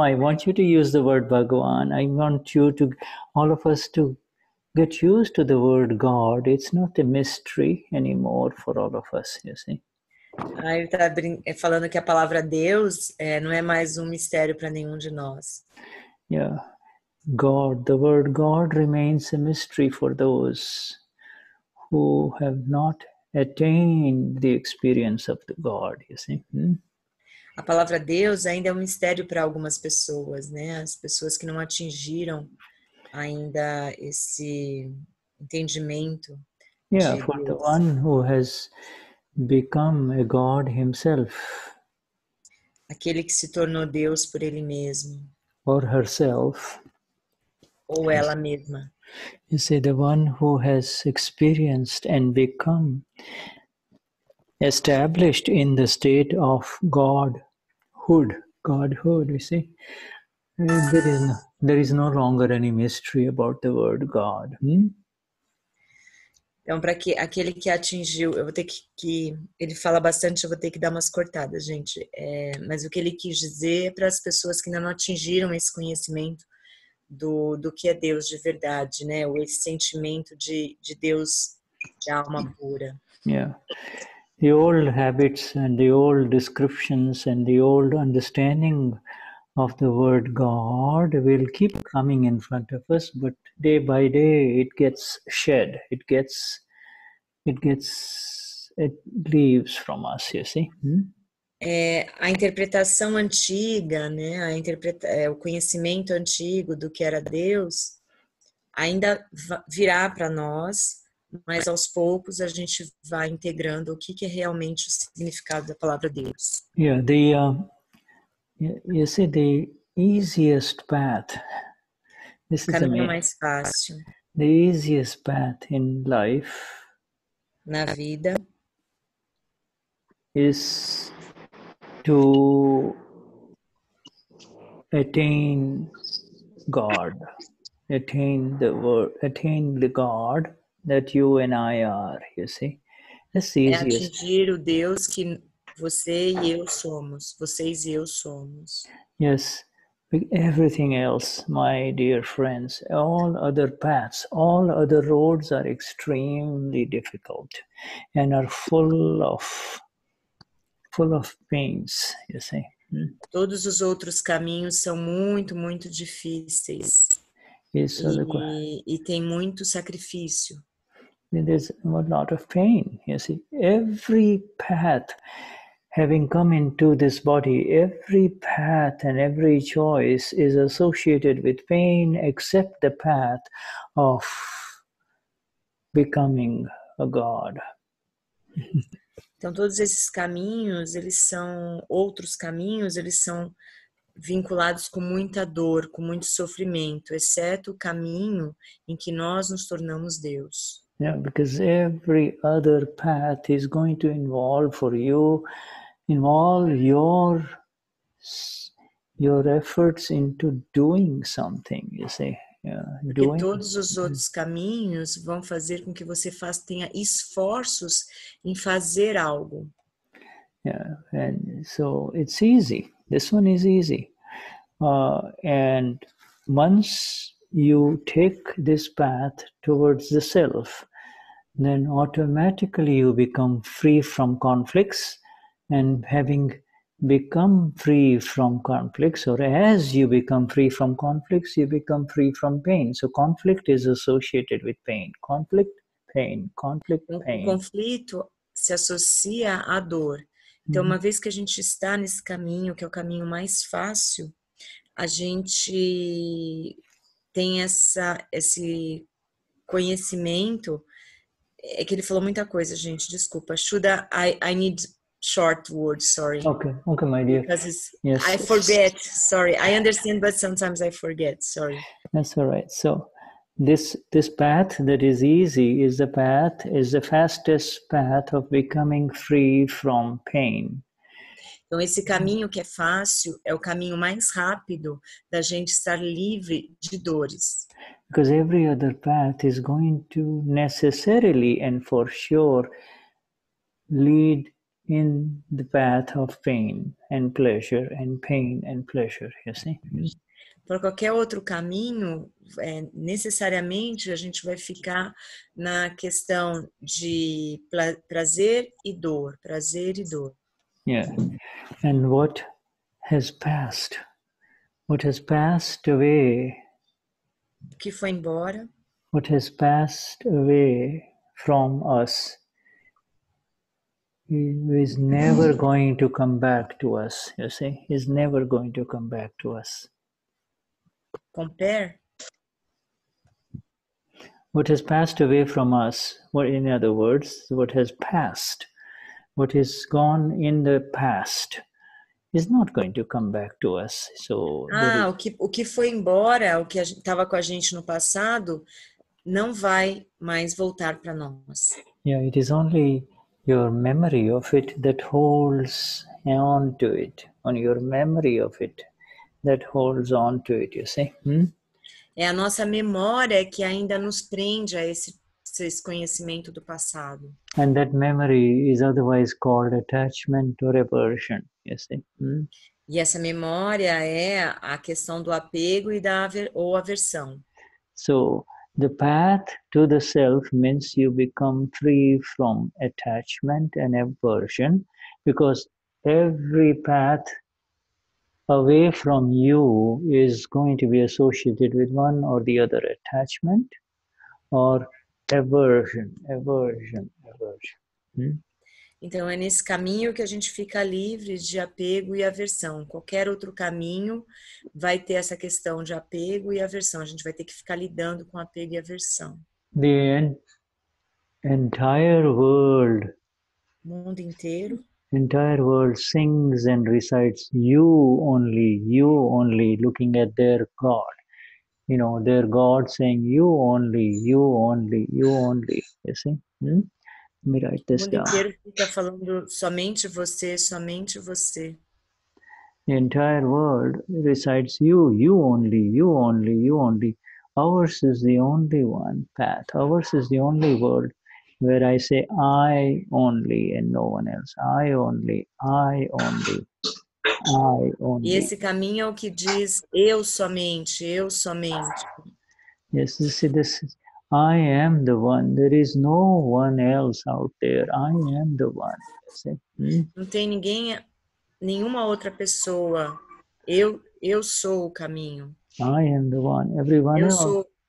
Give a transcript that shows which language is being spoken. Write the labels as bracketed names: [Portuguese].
[English] I want you to use the word Bhagavan. I want you to, all of us to get used to the word God. It's not a mystery anymore for all of us, you see. [Portuguese] Aí ele está falando que a palavra Deus não é mais mistério para nenhum de nós. [English] Yeah. God, the word God remains a mystery for those who have not attained the experience of the God, you see. [Portuguese] A palavra Deus ainda é mistério para algumas pessoas, né? As pessoas que não atingiram ainda esse entendimento. [English] Yeah, for the one who has become a God himself. [Portuguese] Aquele que se tornou Deus por ele mesmo. [English] Or herself. [Portuguese] Ou ela mesma. [English] You see, the one who has experienced and become established in the state of Godhood. Godhood, you see. There is no longer any mystery about the word God. [Portuguese] Então, para aquele que atingiu, eu vou ter que ele fala bastante, eu vou ter que dar umas cortadas, gente. Mas o que ele quis dizer é para as pessoas que ainda não atingiram esse conhecimento do que é Deus de verdade, né? Ou esse sentimento de Deus de alma pura. [English] Yeah. The old habits and the old descriptions and the old understanding of the word God will keep coming in front of us, but day by day it gets shed, it leaves from us, you see. [Portuguese] A interpretação antiga, né, o conhecimento antigo do que era Deus ainda virá para nós, mas aos poucos a gente vai integrando o que é realmente o significado da palavra Deus. [English] Yeah, you see, the easiest path, this is amazing. [Portuguese] Mais fácil. [English] The easiest path in life, [Portuguese] na vida, [English] is to attain God, attain the God that you and I are, you see. That's the easiest. [Portuguese] Atingir o Deus que você e eu somos, vocês e eu somos. [English] Yes, everything else, my dear friends, all other paths, all other roads are extremely difficult and are full of pains, you see. [Portuguese] Todos os outros caminhos são muito, muito difíceis. Isso e tem muito sacrifício. [English] there's a lot of pain. You see, every path, having come into this body, every path and every choice is associated with pain, except the path of becoming a god. [Portuguese] Então todos esses caminhos, eles são outros caminhos, eles são vinculados com muita dor, com muito sofrimento, exceto o caminho em que nós nos tornamos Deus. [English] Yeah, because every other path is going to involve for you, involve your efforts into doing something, you see. Yeah, doing. [Portuguese] Porque todos os outros caminhos vão fazer com que você tenha esforços em fazer algo. [English] Yeah, and so it's easy. This one is easy. And once you take this path towards the self, then automatically you become free from conflicts. And having become free from conflicts, or as you become free from conflicts, you become free from pain. So conflict is associated with pain. Conflict, pain. Conflict, pain. [Portuguese] O conflito se associa à dor. Então, uma vez que a gente está nesse caminho, que é o caminho mais fácil, a gente tem esse conhecimento. É que ele falou muita coisa, gente. Desculpa. [English] Shuddha, I need short words, sorry. Okay, my dear. Because I forget, sorry. I understand, but sometimes I forget, sorry. That's all right. So this path that is easy is the fastest path of becoming free from pain. [Portuguese] Então esse caminho que é fácil é o caminho mais rápido da gente estar livre de dores. [English] Because every other path is going to necessarily and for sure lead in the path of pain and pleasure and pain and pleasure, you see? [Portuguese] Por qualquer outro caminho, necessariamente a gente vai ficar na questão de prazer e dor, prazer e dor. [English] Yeah, and what has passed away, [Portuguese] o que foi embora, [English] what has passed away from us is never going to come back to us, you see, is never going to come back to us. Compare. What has passed away from us, or in other words, what has passed, what is gone in the past, is not going to come back to us. So [Portuguese] o que foi embora, o que estava com a gente no passado, não vai mais voltar para nós. [English] Yeah, it is only your memory of it that holds on to it. On your memory of it. That holds on to it, you see? [Portuguese] É a nossa memória que ainda nos prende a esse conhecimento do passado. [English] And that memory is otherwise called attachment or aversion, you see? [Portuguese] E essa memória é a questão do apego e ou aversão. [English] So, the path to the self means you become free from attachment and aversion, because every path away from you is going to be associated with one or the other, attachment or aversion, aversion, aversion. [Portuguese] Então é nesse caminho que a gente fica livre de apego e aversão. Qualquer outro caminho vai ter essa questão de apego e aversão. A gente vai ter que ficar lidando com apego e aversão. [English] The entire world, [Portuguese] mundo inteiro, [English] entire world sings and recites you only, looking at their God. You know, their God saying you only, you only, you only. You see? Let me write this down. [Portuguese] O mundo inteiro fica falando somente você, somente você. [English] The entire world recites you, you only, you only, you only. Ours is the only one path. Ours is the only world where I say I only and no one else. I only, I only, I only. [Portuguese] E esse caminho é o que diz eu somente, eu somente. [English] Yes, you see, this is, I am the one. There is no one else out there. I am the one. See? [Portuguese] Não tem ninguém, nenhuma outra pessoa. Eu sou o caminho. [English] I am the one. Everyone [Portuguese] eu [English] else. [Portuguese] Sou,